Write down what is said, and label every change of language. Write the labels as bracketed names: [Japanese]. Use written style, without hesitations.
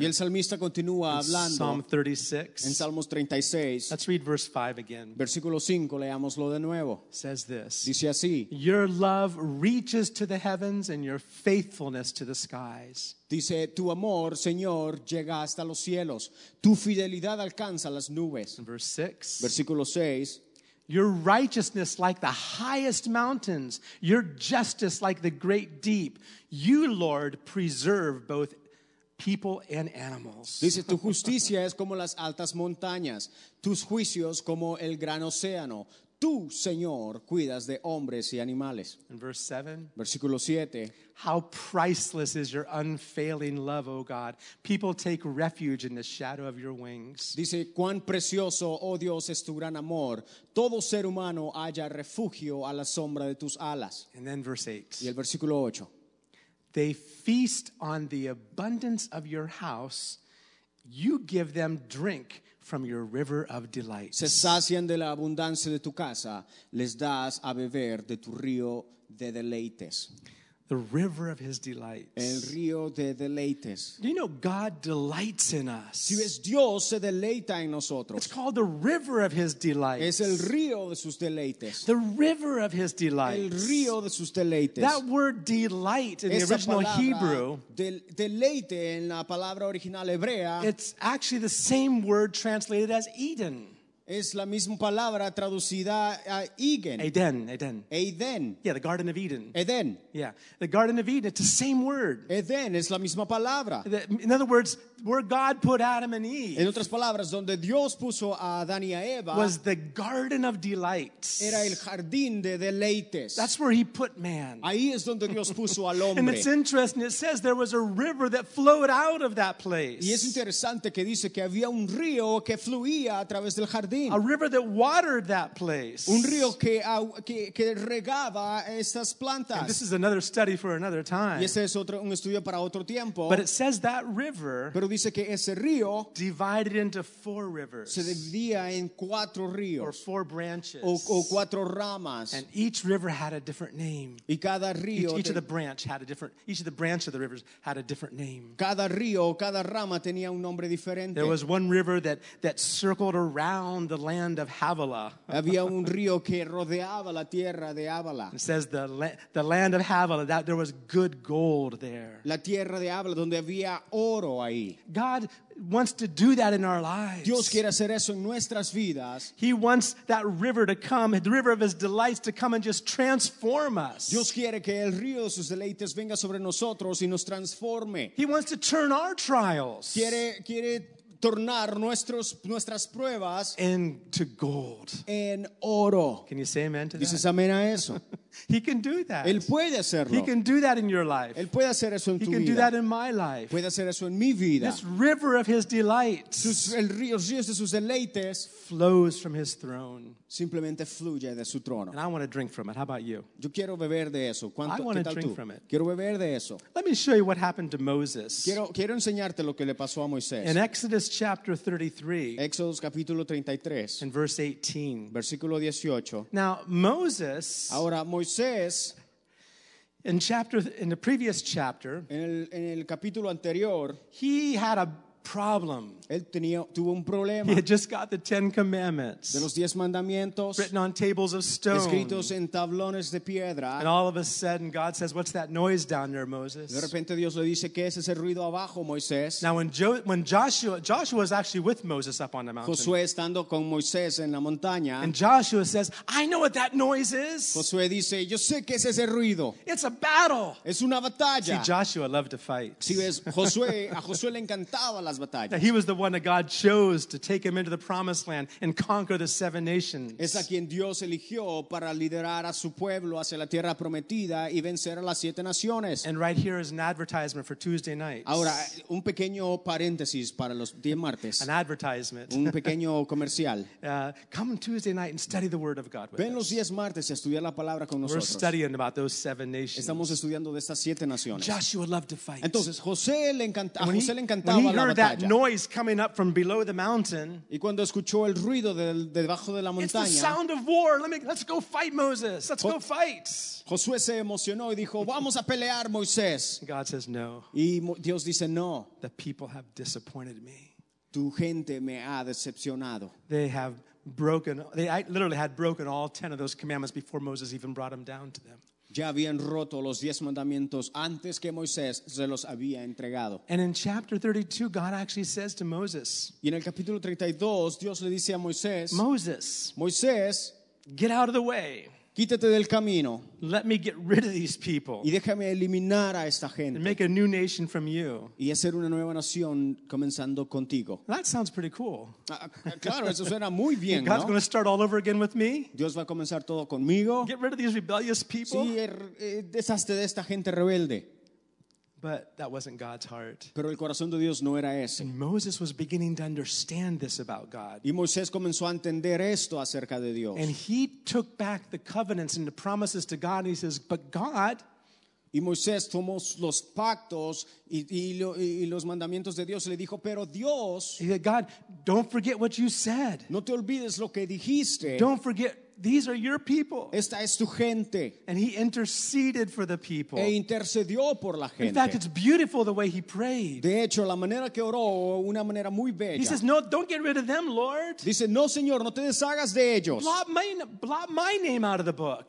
[Spanish] Y el salmista continúa hablando. [English] Psalm 36. [Spanish] En Salmos 36. [English] Let's read verse 5 again. [Spanish] Versículo 5, leámoslo de nuevo. [English] Says this. [Spanish] Dice así. [English] Your love reaches to the heavens and your faithfulness to the skies. [Spanish] Dice, tu amor, Señor, llega hasta los cielos. Tu fidelidad alcanza las nubes. [English] Verse 6. [Spanish] Versículo 6. [English] Your righteousness like the highest mountains, your justice like the great deep. You, Lord, preserve both people and animals. [Spanish] Dice, tu justicia es como las altas montañas, tus juicios como el gran océano. Tú, Señor, cuidas de hombres y animales. [English] In verse 7, [Spanish] versículo 7, [English] how priceless is your unfailing love, O God. People take refuge in the shadow of your wings. [Spanish] Dice, cuán precioso, oh Dios, es tu gran amor. Todo ser humano halla refugio a la sombra de tus alas. [English] And then verse 8. [Spanish] Y el versículo 8. [English] They feast on the abundance of your house. You give them drink from your river of delight. [Spanish] Se sacian de la abundancia de tu casa, les das a beber de tu río de deleites. [English] The river of his delights. [Spanish] El río de deleites. [English] You know, God delights in us. [Spanish] Si ves, Dios se deleita en nosotros. [English] It's called the river of his delights. [Spanish] Es el río de sus deleites. [English] The river of his delights. [Spanish] El río de sus deleites. [English] That word delight in [Spanish] Esa [English] the original [Spanish] palabra, [English] Hebrew. [Spanish] Deleite en la palabra original hebrea. [English] It's actually the same word translated as Eden. [Spanish] Es la misma palabra traducida a Eden. [English] Eden, Eden. [Spanish] Eden. [English] Yeah, the Garden of Eden. [Spanish] Eden. [English] Yeah, the Garden of Eden. It's the same word. [Spanish] Eden es la misma palabra. [English] In other words, where God put Adam and Eve. [Spanish] En otras palabras, donde Dios puso a Adán y a Eva. [English] Was the Garden of Delights. [Spanish] Era el jardín de deleites. [English] That's where he put man. [Spanish] Ahí es donde Dios puso al hombre. [English] And it's interesting, it says there was a river that flowed out of that place. [Spanish] Y es interesante que dice que había un río que fluía a través del jardín. [English] A river that watered that place. [Spanish] Un río que regaba esas plantas. [English] And this is another study for another time. [Spanish] Y ese es otro, un estudio para otro tiempo. [English] But it says that river. [Spanish] Pero dice que ese río [English] divided into four rivers. [Spanish] Se dividía en cuatro ríos. [English] Or four branches. [Spanish] O cuatro ramas. [English] And each river had a different name. [Spanish] Y cada río [English] each of the branch had a different. Each of the branch of the rivers had a different name. [Spanish] Cada río, cada rama tenía un nombre diferente. [English] There was one river that circled around. The land of Havilah. [Spanish] Había un río que rodeaba la tierra de Havilah. [English] It says the land of Havilah, that there was good gold there. [Spanish] La tierra de Havilah, donde había oro ahí. [English] God wants to do that in our lives. [Spanish] Dios quiere hacer eso en nuestras vidas. [English] He wants that river to come, the river of his delights to come and just transform us. [Spanish] Dios quiere que el río de sus deleites venga sobre nosotros y nos transforme. [English] He wants to turn our trials. [Spanish] Quiere tornar nuestras pruebas [English] into gold. [Spanish] En oro. [English] Can you say amen to that? [Spanish] Dices amén a eso. [English] He can do that. [Spanish] Él puede hacerlo. [English] He can do that in your life. [Spanish] Él puede hacer eso en [English] he [Spanish] tu [English] can [Spanish] vida. [English] Do that in my life. [Spanish] Puede hacer eso en mi vida. [English] This river of his delights. [Spanish] El río de sus deleites [English] flows from his throne. [Spanish] Simplemente fluye de su trono. [English] And I want to drink from it. How about you? [Spanish] Yo quiero beber de eso. ¿Cuánto, [English] I want to drink from it. [Spanish] Quiero beber de eso. [English] Let me show you what happened to Moses. [Spanish] Quiero enseñarte lo que le pasó a Moisés. [English] In Exodus chapter 33. [Spanish] Éxodos capítulo 33. [English] In verse 18. [Spanish] Versículo 18. [English] Now Moses. [Spanish] Ahora Moisés. [English] In the previous chapter. [Spanish] En el capítulo anterior. [English] He had a problem. [Spanish] Él tuvo un problema. [English] He had just got the Ten Commandments [Spanish] de los diez mandamientos [English] written on tables of stone, [Spanish] escritos en tablones de piedra. [English] And all of a sudden, God says, "What's that noise down there, Moses?" [Spanish] De repente, Dios le dice, ¿qué es ese ruido abajo, Moisés? [English] Now, when Joshua was actually with Moses up on the mountain, [Spanish] Josué estando con Moisés en la montaña, [English] and Joshua says, "I know what that noise is." [Spanish] Josué dice, yo sé qué es ese ruido. [English] It's a battle. [Spanish] Es una batalla. [English] See, Joshua loved to fight. [Spanish] Si ves, Josué, a Josué le encantaba las batallas. [English] Now, he was the one that God chose to take him into the promised land and conquer the seven nations. [Spanish] Es a quien Dios eligió para liderar a su pueblo hacia la tierra prometida y vencer a las siete naciones. [English] And right here is an advertisement for Tuesday night. [Spanish] Ahora, un pequeño paréntesis para los diez martes. [English] An advertisement. [Spanish] Un pequeño comercial. [English] Come Tuesday night and study the word of God with [Spanish] us. Ven los diez martes y estudiar la palabra con nosotros. [English] We're studying about those seven nations. [Spanish] Estamos estudiando de estas siete naciones. [English] Joshua loved to fight. [Spanish] Entonces, José le encantaba la batalla. [English] When he heard that noise coming up from below the mountain. [Spanish] Y cuando escuchó el ruido debajo de la montaña. [English] It's the sound of war. Let's go fight, Moses. Let's go fight. [Spanish] Josué se emocionó y dijo, vamos a pelear, Moisés. [English] God says no. [Spanish] Y Dios dice no. [English] The people have disappointed me. [Spanish] Tu gente me ha decepcionado. [English] They have broken. They literally had broken all 10 of those commandments before Moses even brought them down to them. [Spanish] Ya habían roto los diez mandamientos antes que Moisés se los había entregado. [English] And in chapter 32, God actually says to Moses. [Spanish] Y en el capítulo 32, Dios le dice a Moisés. [English] Moses. [Spanish] Moisés. [English] Get out of the way. [Spanish] Quítate del camino. [English] Let me get rid of these people. [Spanish] Y déjame eliminar a esta gente. [English] And make a new nation from you. [Spanish] Y hacer una nueva nación comenzando contigo. [English] That sounds pretty cool. [Spanish] Claro, eso suena muy bien, [English] God's [Spanish] ¿no? [English] going to start all over again with me. [Spanish] Dios va a comenzar todo conmigo. [English] Get rid of these rebellious people. [Spanish] Sí, deshazte de esta gente rebelde. [English] But that wasn't God's heart. [Spanish] Pero el corazón de Dios no era ese. [English] And Moses was beginning to understand this about God. [Spanish] Y Moisés comenzó a entender esto acerca de Dios. [English] And he took back the covenants and the promises to God. And he says, but God... [Spanish] Y Moisés tomó los pactos y los mandamientos de Dios. Y le dijo, pero Dios... [English] He said, God, don't forget what you said. [Spanish] No te olvides lo que dijiste. [English] Don't forget... These are your people. [Spanish] Esta es tu gente. [English] And he interceded for the people. [Spanish] E intercedió por la gente. [English] In fact, it's beautiful the way he prayed. [Spanish] De hecho, la manera que oró, una manera muy bella. [English] He says, no, don't get rid of them, Lord. [Spanish] Dice, no, Señor, no te deshagas de ellos. [English] Blot my name out of the book.